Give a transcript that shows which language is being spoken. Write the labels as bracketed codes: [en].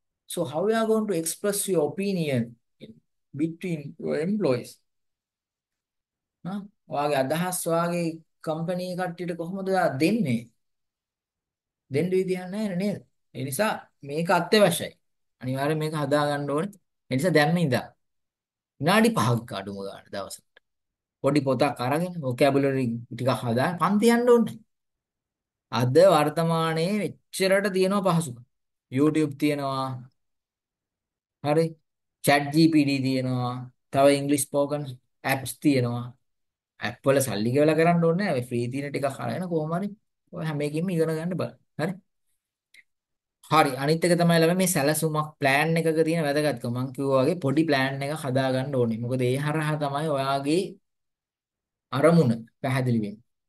[en] So how you are going to express your opinion between your employees? [si] නะ ඔයාගේ අදහස් ඔයාගේ company කට්ටියට කොහොමද ඔයා දෙන්නේ? දෙන්න විදියක් නැහැ නේද? ඒ නිසා මේක අත්‍යවශ්‍යයි. අනිවාර්යෙන් මේක හදා ගන්න ඕනේ. ඒ නිසා දැම්ම ඉඳා විනාඩි 5ක් අඩුම ගන්න දවසට. පොඩි පොතක් අරගෙන vocabulary ටිකක් හදා පන්ති යන්න ඕනේ. අද වර්තමානයේ මෙච්චරට තියෙනවා පහසුකම්. YouTube තියෙනවා. හරි. ChatGPT තියෙනවා. තව [en] English spoken apps [si] තියෙනවා. app වල සල්ලි ගෙවලා කරන්න ඕනේ නැහැ. free තියෙන ටිකක් අරගෙන කොහොම හරි හැම එකකින්ම ඉගෙන ගන්න බලන්න. හරි. හරි අනිත් එක තමයි ළමයි මේ සැලසුමක් plan එකක තියෙන වැදගත්කම. මං කිව්වා වගේ පොඩි plan එකක් හදා ගන්න ඕනේ. මොකද ඒ හරහා තමයි ඔයාගේ අරමුණ පැහැදිලි වෙන්නේ.